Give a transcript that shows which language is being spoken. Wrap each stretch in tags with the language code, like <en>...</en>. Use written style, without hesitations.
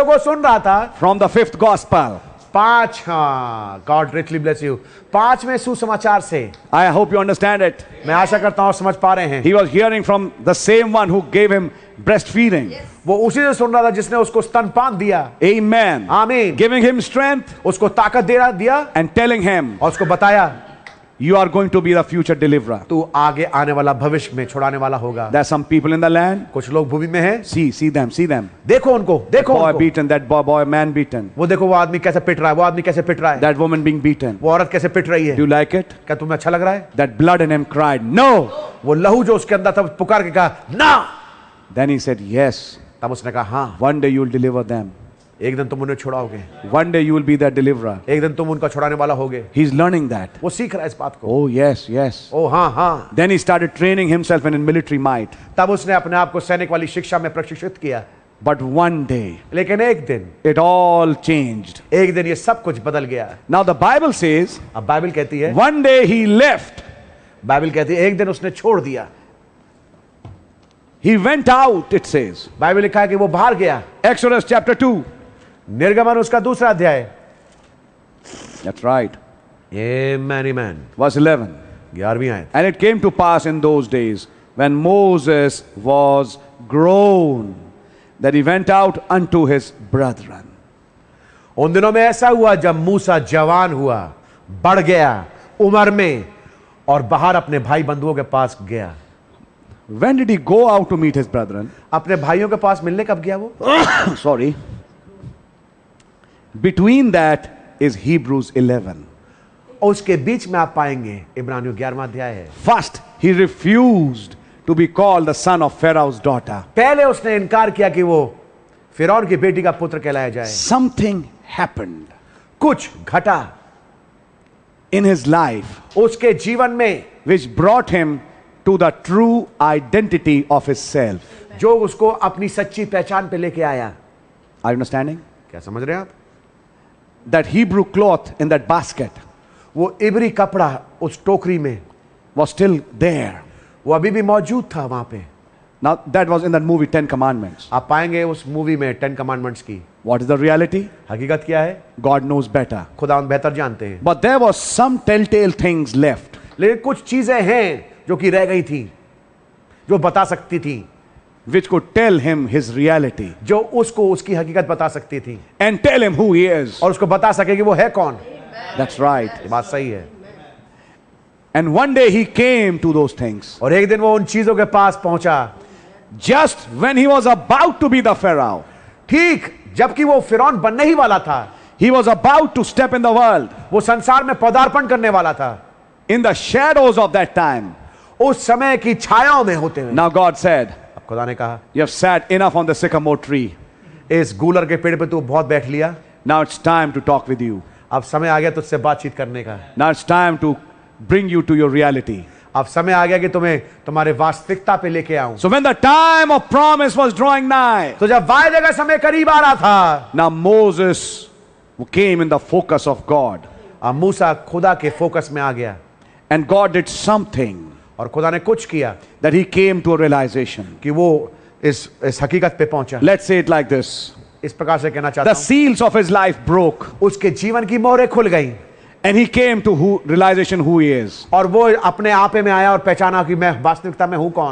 <hi>Yoka ke sath hua aisa wo</hi> <en>sharing last Sunday</en> <hi>jaise main pichle Sunday isko share kar raha tha.</hi> <en>So that was the phase of Moses's life.</en> <hi>So ye Musa ke jeevan ka ek charan tha.</hi> <en>Only thing he knew,</en> <hi>keval matlab wo ye janta tha,</hi> <en>I was taken out of water</en> <hi>ki main pani se bahar nikala gaya.</hi> <en>That's all he knew.</en> <hi>Itna hi wo janta tha.</hi> <en>Not nothing more than that.</en> <hi>Isse adhik kuch aur nahi.</hi> <en>Who he is,</en> <hi>wo kaun hai.</hi> <en>Where he has come from,</en> <hi>wo kahan se aaya hai.</hi> <en>He was drawing milk from his mother,</en> <hi>apni maa se wo doodh pi raha tha.</hi> <en>But he still had not come to a realization.</en> <hi>Lekin abhi bhi wo is pehchan pe nahi pahuncha</hi> <en>of who he is</en> <hi>ki wo hai kaun.</hi> <en>He was hearing messages,</en> <hi>wo sandeshon ko sun raha tha</hi> <en>from the fifth gospel.</en> <hi>पांच, हाँ,</hi> <en>God greatly bless you.</en> <hi>पांच में सुसमाचार से,</hi> <en>I hope you understand it.</en> <hi>मैं आशा करता हूँ समझ पा रहे हैं.</hi> <en>He was hearing from the same one who gave him breastfeeding. Yes.</en> <hi>वो उसी से सुन रहा था जिसने उसको स्तनपान दिया.</hi> <en>Amen. Amen. Giving him strength.</en> <hi>उसको ताकत दे रहा दिया.</hi> <en>And telling him.</en> <hi>और उसको बताया.</hi> <en>You are going to be the future deliverer.</en> <hi>तू आगे आने वाला भविष्य में छुड़ाने वाला होगा.</hi> <en>There are some people in the land.</en> <hi>कुछ लोग भूमि में हैं.</hi> <en>See them.</en> <hi>देखो उनको, देखो.</hi> <en>Boy beaten, that boy, man beaten.</en> <hi>वो देखो वो आदमी कैसे पिट रहा है, वो आदमी कैसे पिट रहा है.</hi> <en>That woman being beaten.</en> <hi>वो औरत कैसे पिट रही है.</hi> <en>Do you like it?</en> <hi>क्या तुम्हें अच्छा लग रहा है?</hi> <en>That blood in him cried, no.</en> <hi>वो लहू जो उसके अंदर था पुकार के कहा, ना.</hi> <en>Then he said, yes.</en> <hi>तब उसने कहा, हाँ.</hi> <en>One day you'll deliver them.</en> <hi>एक दिन तुम उन्हें छुड़ाओगे.</hi> <en>One day you will be their deliverer.</en> <hi>एक दिन तुम उनका छुड़ाने वाला होगे.</hi> <en>He is learning that.</en> <hi>वो सीख रहा है इस बात को.</hi> <en>Oh yes, yes.</en> <hi>Oh हाँ हाँ.</hi> <en>Then he started training himself in military might.</en> <hi>तब उसने अपने आप को सैनिक वाली शिक्षा में प्रशिक्षित किया.</hi> <en>But one day.</en> <hi>लेकिन एक दिन.</hi> <en>It all changed.</en> <hi>एक दिन ये सब कुछ बदल गया.</hi> <en>Now the Bible says.</en> <hi>अब बाइबल कहती है.</hi> <en>One day he left.</en> <hi>Bible कहती है एक दिन उसने छोड़ दिया.</hi> <en>He went out, it says.</en> <hi>Bible लिखा है कि वो बाहर गया.</hi> <en>Exodus chapter 2.</en> <hi>निर्गमन उसका दूसरा अध्याय.</hi> <en>That's right. Amen, amen. Verse 11.</en> <hi>11वीं आयत.</hi> <en>And it came to pass in those days when Moses was grown that he went out unto his brethren.</en> <hi>उन दिनों में ऐसा हुआ जब मूसा जवान हुआ, बढ़ गया उम्र में और बाहर अपने भाई बंधुओं के पास गया.</hi> <en>When did he go out to meet his brethren?</en> <hi>अपने भाइयों के पास मिलने कब गया वो?</hi> <en>Sorry. Between that is Hebrews 11.</en> <hi>उसके बीच में आप पाएंगे इब्रानियों 11वां अध्याय है.</hi> <en>First he refused to be called the son of Pharaoh's daughter.</en> <hi>पहले उसने इनकार किया कि वो फिरौन की बेटी का पुत्र कहलाया जाए.</hi> <en>Something happened.</en> <hi>कुछ घटा.</hi> <en>In his life.</en> <hi>उसके जीवन में.</hi> <en>Which brought him to the true identity of his self.</en> <hi>जो उसको अपनी सच्ची पहचान पे लेके आया.</hi> <en>Are you understanding?</en> <hi>क्या समझ रहे हैं आप?</hi> <en>That Hebrew cloth in that basket,</en> <hi>वो इब्री कपड़ा उस टोकरी में,</hi> <en>was still there.</en> <hi>वो अभी भी मौजूद था वहाँ पे.</hi> <en>Now that was in that movie Ten Commandments.</en> <hi>आप पाएंगे उस मूवी में Ten Commandments की.</hi> <en>What is the reality?</en> <hi>हकीकत क्या है?</hi> <en>God knows better.</en> <hi>खुदा उन बेहतर जानते हैं.</hi> <en>But there was some telltale things left.</en> <hi>लेकिन कुछ चीजें हैं जो कि रह गई थी, जो बता सकती थी.</hi> <en>Which could tell him his reality.</en> <hi>जो उसको उसकी हकीकत बता सकती थी.</hi> <en>And tell him who he is.</en> <hi>और उसको बता सके कि वो है कौन.</hi> <en>That's right.</en> <hi>ये बात सही है.</hi> <en>And one day he came to those things.</en> <hi>और एक दिन वो उन चीजों के पास पहुंचा.</hi> <en>Just when he was about to be the Pharaoh.</en> <hi>ठीक जबकि वो फिरौन बनने ही वाला था.</hi> <en>He was about to step in the world.</en> <hi>वो संसार में पदार्पण करने वाला था.</hi> <en>In the shadows of that time.</en> <hi>उस समय की छायाओं में होते हुए.</hi> <en>Now God said.</en> <hi>खुदा ने कहा,</hi> <en>you have sat enough on the sycamore tree.</en> <hi>इस गुलर के पेड़ पे तू बहुत बैठ लिया.</hi> <en>Now it's time to talk with you.</en> <hi>अब समय आ गया तुझसे बातचीत करने का.</hi> <en>Now it's time to bring you to your reality.</en> <hi>अब समय आ गया कि तुम्हें तुम्हारे वास्तविकता पे लेके आऊं.</hi> <en>So when the time of promise was drawing nigh.</en> <hi>तो जब वायदे का समय करीब आ रहा था.</hi> <en>Now Moses came in the focus of God.</en> <hi>अब मूसा खुदा के फोकस में आ गया.</hi> <en>And God did something.</en> <hi>और खुदा ने कुछ किया.</hi> <en>That he came to a realization.</en> <hi>कि वो इस हकीकत पे पहुंचा.</hi> <en>Let's say it like this.</en> <hi>इस प्रकार से कहना चाहता</hi> <en>हूं. The seals of his life broke.</en> <hi>उसके जीवन की मोहरें खुल गईं.</hi> <en>And he came to who, realization who he is.</en> <hi>और वो अपने आपे में आया और पहचाना कि मैं वास्तविकता में हूं कौन.</hi>